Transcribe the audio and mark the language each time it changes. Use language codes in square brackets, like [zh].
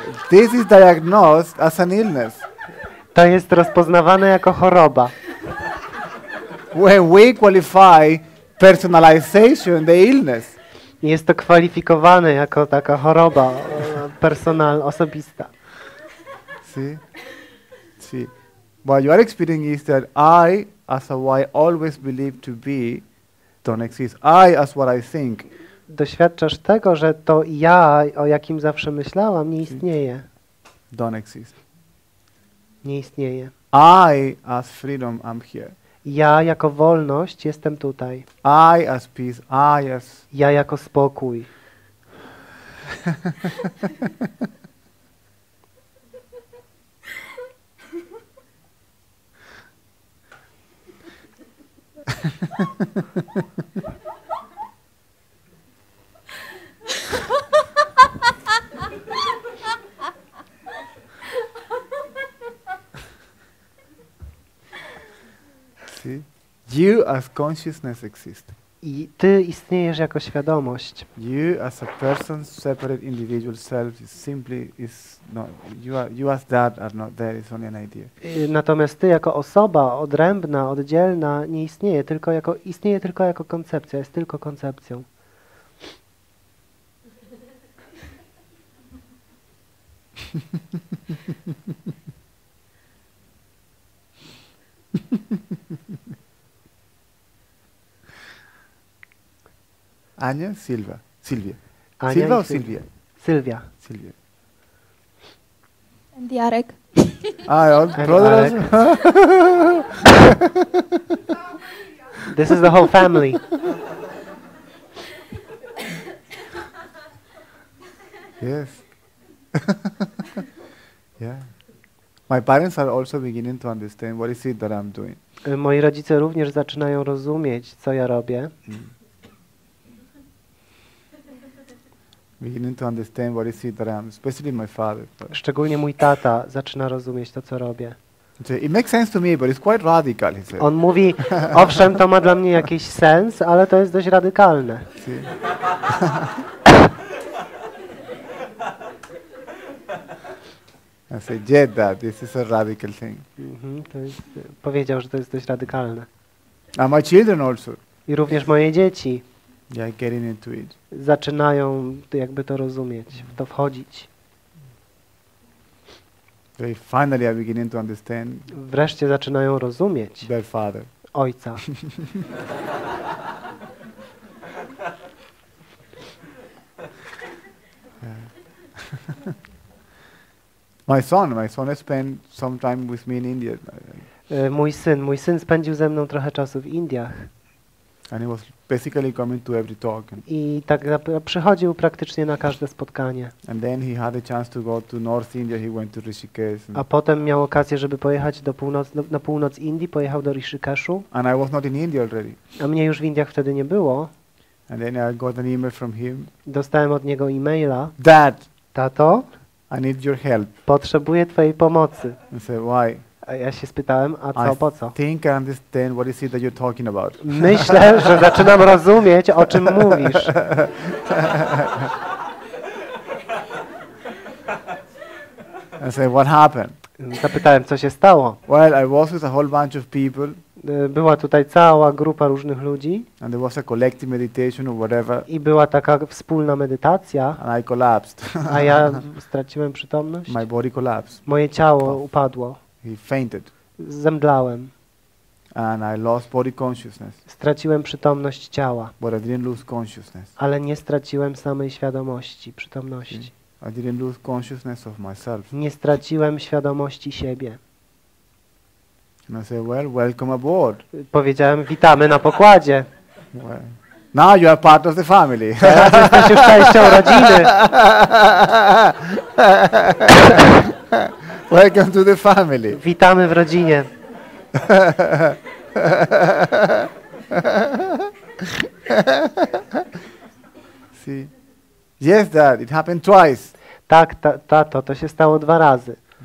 [en] This is diagnosed as an illness. [pl] To jest rozpoznawane jako choroba. [en] When we qualify personalization, the illness. [pl] Jest to kwalifikowane jako taka choroba osobista. [en] See? What you are experiencing is that I, as what I always believe to be, don't exist. I, as what I think. [pl] Doświadczasz tego, że to ja, o jakim zawsze myślałam, nie istnieje. [en] Don't exist. [pl] Nie istnieje. [en] I as freedom am here. [pl] Ja jako wolność jestem tutaj. [en] I as peace, I as... [pl] Ja jako spokój. [en] You as consciousness exist. [pl] I ty istniejesz jako świadomość. [en] You as a person, separate individual self is simply is not. You as that are not there. It's only an idea. [pl] Natomiast ty jako osoba odrębna, oddzielna nie istnieje, tylko jako istnieje tylko jako koncepcja, jest tylko koncepcją. Heheheheheheheheheheheheheheheheheheheheheheheheheheheheheheheheheheheheheheheheheheheheheheheheheheheheheheheheheheheheheheheheheheheheheheheheheheheheheheheheheheheheheheheheheheheheheheheheheheheheheheheheheheheheheheheheheheheheheheheheheheheheheheheheheheheheheheheheheheheheheheheheheheheheheheheheheheheheheheheheheheheheheheheheheheheheheheheheheheheheheheheheheheheheheheheheheheheheheheheheheheheheheheheheheheheheheheheheheheheheheheheheheheheheheheheheheheheheheheheheheheheheheheheheheheheheheheheheheheheheheheheheheheheheheheheheheheheheheheheheheheheheheheheheheheheheheheheheheheheheheheheheheheheheheheheheheheheheheheheheheheheheheheheheheheheheheheheheheheheheheheheheheheheheheheheheheheheheheheheheheheheheheheheheheheheheheheheheheh [en] Anię, Silwę, Silwię. Silwa or Silvia? Silvia. Silvia. And Jarek. Ah, your brother. This is the whole family. Yes. Yeah. My parents are also beginning to understand what is it that I'm doing. [pl] Moi rodzice również zaczynają rozumieć, co ja robię. [en] Beginning to understand what is it that I'm, especially my father. [pl] Szczególnie mój tata zaczyna rozumieć to, co robię. [en] It makes sense to me, but it's quite radical, he said. [pl] On mówi, owszem, to ma dla mnie jakiś sens, ale to jest dość radykalne. [en] I said, yeah, dad, this is a radical thing. [pl] To jest, powiedział, że to jest dość radykalne. [en] And my children also. [pl] I również moje dzieci. [en] Yeah, getting into it. [pl] Zaczynają jakby to rozumieć, w to wchodzić. [en] They finally are beginning to understand. [pl] Wreszcie zaczynają rozumieć. [en] Their father. [pl] Ojca. [en] My son has spent some time with me in India. [pl] Mój syn spędził ze mną trochę czasu w Indiach. [en] And he was basically coming to every talk. [pl] I tak przychodził praktycznie na każde spotkanie. [en] And then he had a chance to go to North India. He went to Rishikesh. [pl] A potem miał okazję, żeby pojechać do północ, na północ Indii, pojechał do Rishikeshu. [en] And I was not in India already. [pl] A mnie już w Indiach wtedy nie było. [en] And then I got an email from him. [pl] Dostałem od niego e-maila. [en] Dad. [pl] Tato. [en] I need your help. [pl] Potrzebuję twojej pomocy. [en] I said, why? [pl] A ja się spytałem, a co, [en] I [pl] po co? [en] Think I understand what is it that you're talking about. [pl] Myślę, że zaczynam rozumieć, o czym mówisz. [en] I said, what happened? [pl] Zapytałem, co się stało. [en] Well, I was with a whole bunch of people. [pl] Była tutaj cała grupa różnych ludzi. [en] And there was a collective meditation or whatever. [pl] I była taka wspólna medytacja. [en] And I collapsed. [pl] A ja straciłem przytomność. [en] My body collapsed. [pl] Moje ciało upadło. [en] He fainted. [pl] Zemdlałem. [en] And I lost body consciousness. [pl] Straciłem przytomność ciała. [en] But I didn't lose consciousness. [pl] Ale nie straciłem samej świadomości, przytomności. [en] I didn't lose consciousness of myself. [pl] Nie straciłem świadomości siebie. [en] And I said, well, welcome aboard. [pl] Powiedziałem, witamy na pokładzie. [en] Well, now you are part of the family. [pl] Teraz jesteś już częścią rodziny. [en] Welcome to the family. [pl] Witamy w rodzinie. [en] See? Yes, dad, it happened twice. [pl] Tak, tato, to się stało dwa razy.